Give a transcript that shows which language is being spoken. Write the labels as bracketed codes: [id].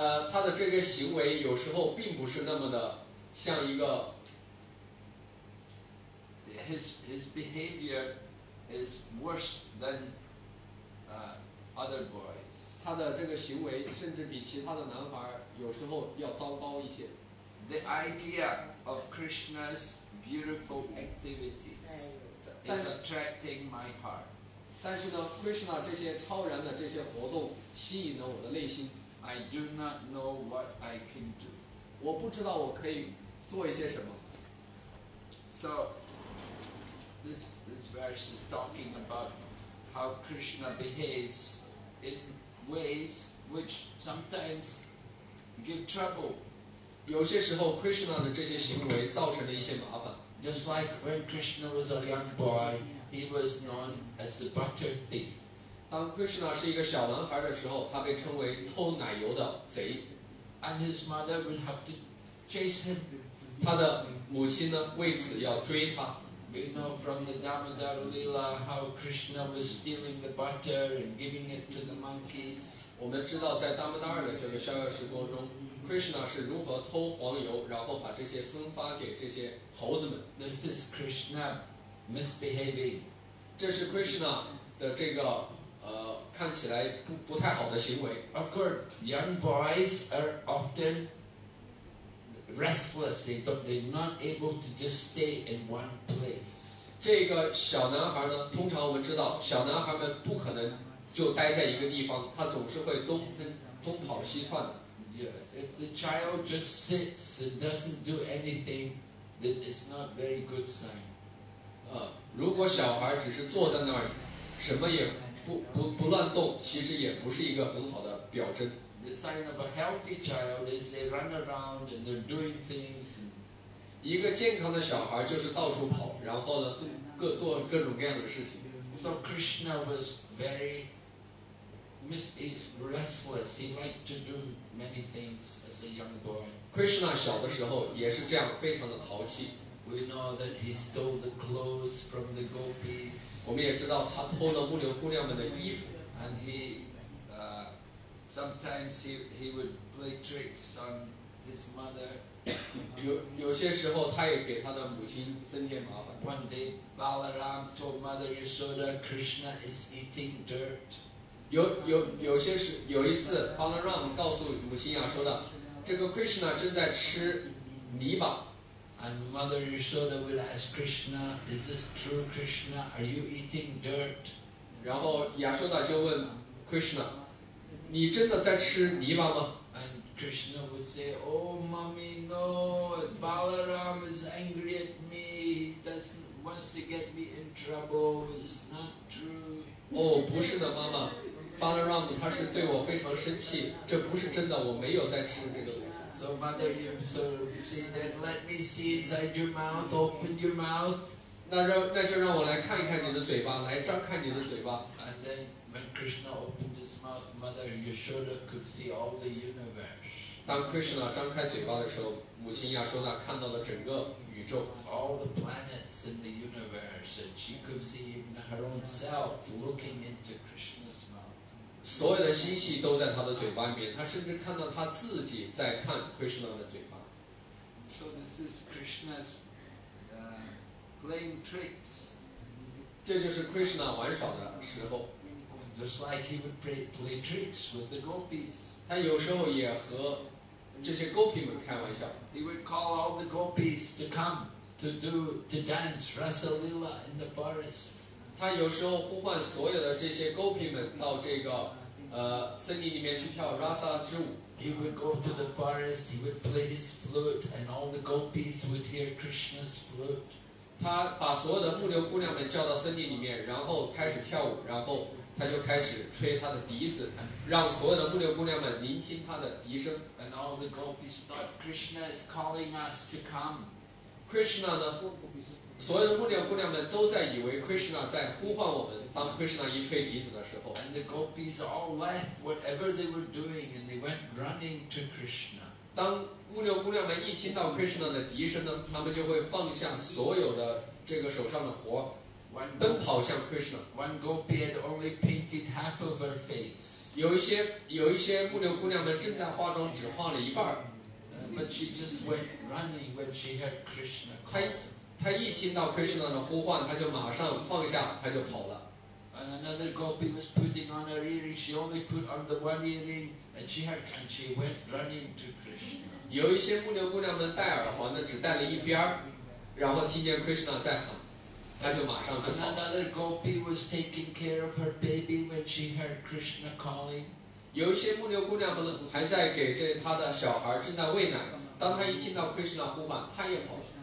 [zh] 他的这个行为有时候并不是那么的像一个。 [en] His behavior is worse than other boys. [zh] 他的这个行为甚至比其他的男孩有时候要糟糕一些。 [en] The idea of Krishna's beautiful activities is attracting my heart. [zh] 但是呢 ，Krishna 这些超然的这些活动吸引了我的内心。 [en] I do not know what I can do. [zh] 我不知道我可以做一些什么。 [en] So, this verse is talking about how Krishna behaves in ways which sometimes give trouble. [zh] 有些时候 Krishna 的这些行为造成了一些麻烦。 [en] Just like when Krishna was a young boy, he was known as the butter thief. [zh] 当 Krishna 是一个小男孩的时候，他被称为偷奶油的贼。 [en] And his mother would have to chase him. [zh] 他的母亲呢，为此要追他。 [en] We know from the Damodara Lila how Krishna was stealing the butter and giving it to the monkeys. [zh] 我们知道在达摩达尔的这个逍遥时光中。 Krishna 是如何偷黄油，然后把这些分发给这些猴子们。 [en] This is Krishna misbehaving. [zh] 这是 Krishna 的这个看起来不太好的行为。 [en] Of course, young boys are often restless. They're not able to just stay in one place. [zh] 这个小男孩呢，通常我们知道，小男孩们不可能就待在一个地方，他总是会东跑西窜的。 [en] Yeah, if the child just sits and doesn't do anything, then it's not a very good sign. [zh] 如果小孩只是坐在那儿，什么也不乱动，其实也不是一个很好的表征。 [en] The sign of a healthy child is they run around and they're doing things. [zh] 一个健康的小孩就是到处跑，然后呢，做各种各样的事情。 [en] So Krishna was very restless. He liked to do many things as a young boy. [zh] Krishna 小的时候也是这样，非常的淘气。 [en] We know that he stole the clothes from the gopis. [zh] 我们也知道他偷了牧牛姑娘们的衣服。 [en] And he sometimes would play tricks on his mother. [zh] 有些时候他也给他的母亲增添麻烦。 [en] One day, Balaram told Mother Yashoda, Krishna is eating dirt. [zh] 有一次 Balaram 告诉母亲亚说的，这个 Krishna 正在吃泥巴。 [en] And Mother Yashoda will ask Krishna, Is this true, Krishna? Are you eating dirt? [zh] 然后亚说的就问 Krishna, 你真的在吃泥巴吗？ [en] And Krishna would say, Oh, mommy, no, Balaram is angry at me. He wants to get me in trouble. It's not true. [zh] 不是的，妈妈。Balaram 他是对我非常生气，这不是真的，我没有在吃这个东西。 [en] So mother, you see that? Let me see inside your mouth. Open your mouth. [zh] 那就让我来看一看你的嘴巴，来张开你的嘴巴。 [en] And then when Krishna opened his mouth, Mother Yashoda could see all the universe. [zh] 当 Krishna 张开嘴巴的时候，母亲亚舒娜看到了整个宇宙。 [en] All the planets in the universe, and she could see even her own self looking into Krishna. [zh] 所有的星系都在他的嘴巴里面，他甚至看到他自己在看 Krishna 的嘴巴。 [en] So this is Krishna's playing tricks. [zh] 这就是 Krishna 玩耍的时候。 [en] Just like he would play tricks with the gopis. [zh] 他有时候也和这些 gopi 们开玩笑。 [en] He would call all the gopis to come to dance Rasa Lila in the forest. [zh] 他有时候呼唤所有的这些 gopi 们到这个森林里面去跳 rasa 之舞。 [en] He would go to the forest. He would play his flute, and all the gopis would hear Krishna's flute. [zh] 他把所有的牧牛姑娘们叫到森林里面，然后开始跳舞，然后他就开始吹他的笛子，让所有的牧牛姑娘们聆听他的笛声。 [en] And all the gopis thought Krishna is calling us to come. [zh] Krishna 呢？所有的牧牛姑娘们都在以为 Krishna 在呼唤我们。当 Krishna 一吹笛子的时候 [en] ，And the gopis all left whatever they were doing and they went running to Krishna。 [zh] 当牧牛姑娘们一听到 Krishna 的笛声呢，他们就会放下所有的这个手上的活，奔跑向 Krishna。 [en] One gopi had only painted half of her face。 [zh] 有一些牧牛姑娘们正在化妆，只化了一半。 [en] But she just went running when she heard Krishna call。 [zh] 他一听到 Krishna 的呼唤，他就马上放下，他就跑了。 [en] And another gopi was putting on her earring. She only put on the one earring, and she went running to Krishna. [zh] 有一些牧牛姑娘们戴耳环的只戴了一边，然后听见 Krishna 在喊，他就马上就跑了。 [en] And another gopi was taking care of her baby when she heard Krishna calling. [zh] 有一些牧牛姑娘还在给这她的小孩正在喂奶，当她一听到 Krishna 呼唤，她也跑去。